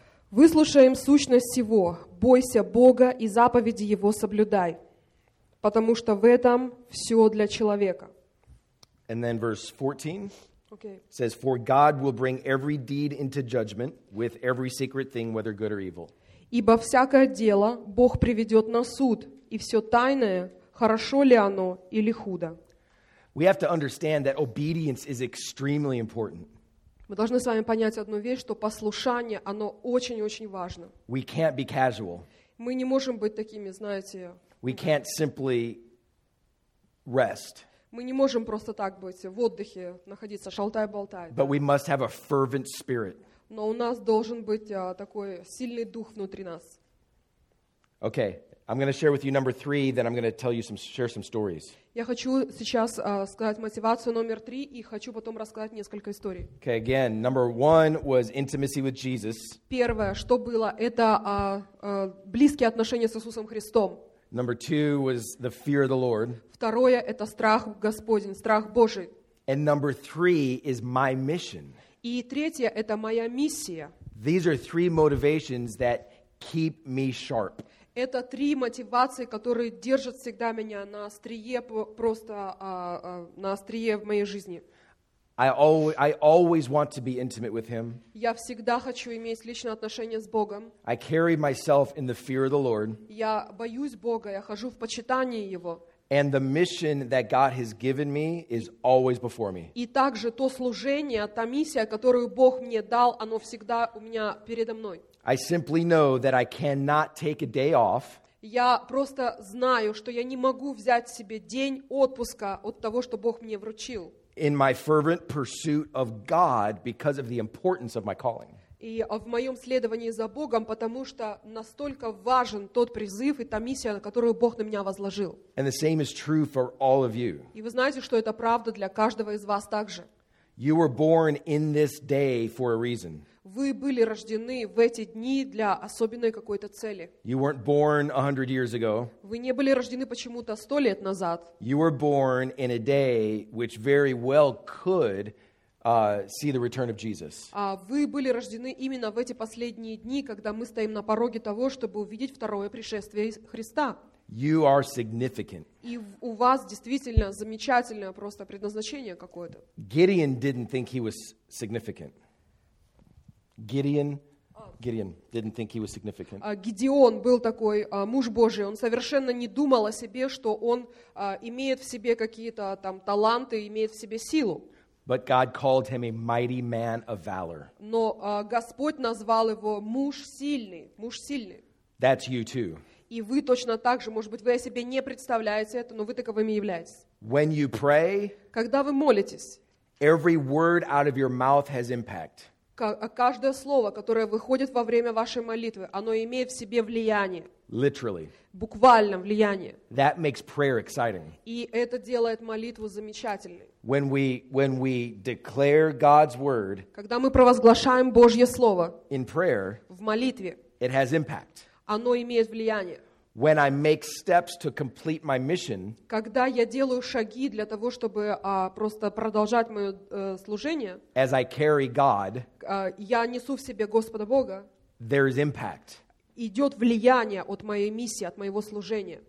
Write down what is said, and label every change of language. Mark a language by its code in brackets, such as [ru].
[ru] Выслушаем сущность сего. Бойся Бога и заповеди Его соблюдай, потому что в этом все для человека. [en] And then verse 14 okay. says, for God will bring every deed into judgment with every secret thing, whether good or evil. [ru] Ибо всякое дело Бог приведет на суд, и все тайное, хорошо ли оно или худо. [en] We have to understand that obedience is extremely important. [ru] Мы должны с вами понять одну вещь, что послушание, оно очень-очень важно. [en] We can't be casual. [ru] Мы не можем быть такими, знаете... [en] We can't simply rest. [ru] Мы не можем просто так быть, в отдыхе находиться, шалтай-болтай. [en] But we must have a fervent spirit. [ru] Но у нас должен быть такой сильный дух внутри нас. [en] Okay, I'm going to share with you number three, then I'm going to tell you some, share some stories. [ru] Я хочу сейчас сказать мотивацию номер три, и хочу потом рассказать несколько историй. [en] Okay, again, number one was intimacy with Jesus. [ru] Первое, что было, это близкие отношения с Иисусом Христом. [en] Number two was the fear of the Lord. [ru] Второе, это страх Господень, страх Божий. [en] And number three is my mission. [ru] И третье, это моя миссия. [en] These are three motivations that keep me sharp. [ru] Это три мотивации, которые держат всегда меня на острие, просто на острие в моей жизни. [en] I always want to be intimate with him. [ru] Я всегда хочу иметь личное отношение с Богом. [en] I carry myself in the fear of the Lord. [ru] Я боюсь Бога, я хожу в почитании Его. [en] And the mission that God has given me is always before me. [ru] И также то служение, та миссия, которую Бог мне дал, оно всегда у меня передо мной. [en] I simply know that I cannot take a day off. [ru] Я просто знаю, что я не могу взять себе день отпуска от того, что Бог мне вручил. [en] In my fervent pursuit of God because of the importance of my calling. [ru] И в моем следовании за Богом, потому что настолько важен тот призыв и та миссия, которую Бог на меня возложил. [en] And the same is true for all of you. [ru] И вы знаете, что это правда для каждого из вас также. [en] You were born in this day for a reason. [ru] Вы были рождены в эти дни для особенной какой-то цели. [en] You weren't born 100 years ago. [ru] Вы не были рождены почему-то 100 лет назад. [en] You were born in a day which very well could see the return of Jesus. [ru] Вы были рождены именно в эти последние дни, когда мы стоим на пороге того, чтобы увидеть второе пришествие Христа. [en] You are significant. [ru] И у вас действительно замечательное просто предназначение какое-то. [en] Gideon didn't think he was significant. Gideon didn't think he was significant. [ru] Гидеон был такой муж Божий. Он совершенно не думал о себе, что он имеет в себе какие-то там таланты, имеет в себе силу. [en] But God called him a mighty man of valor. [ru] Но Господь назвал его муж сильный, муж сильный. [en] That's you too. [ru] И вы точно так же, может быть, вы о себе не представляете это, но вы таковыми являетесь. [en] When you pray, [ru] когда вы молитесь, [en] every word out of your mouth has impact. [ru] Каждое слово, которое выходит во время вашей молитвы, оно имеет в себе влияние. [en] Literally. [ru] Буквально влияние. [en] That makes prayer exciting. [ru] И это делает молитву замечательной. [en] When we declare God's word, [ru] когда мы провозглашаем Божье слово [en] in prayer, [ru] в молитве, [en] it has impact. [ru] Оно имеет влияние. [en] When I make steps to complete my mission, [ru] когда я делаю шаги для того, чтобы просто продолжать мое служение, [en] as I carry God, [ru] я несу в себе Господа Бога, [en] there is impact. [ru] Идет влияние от моей миссии, от моего служения.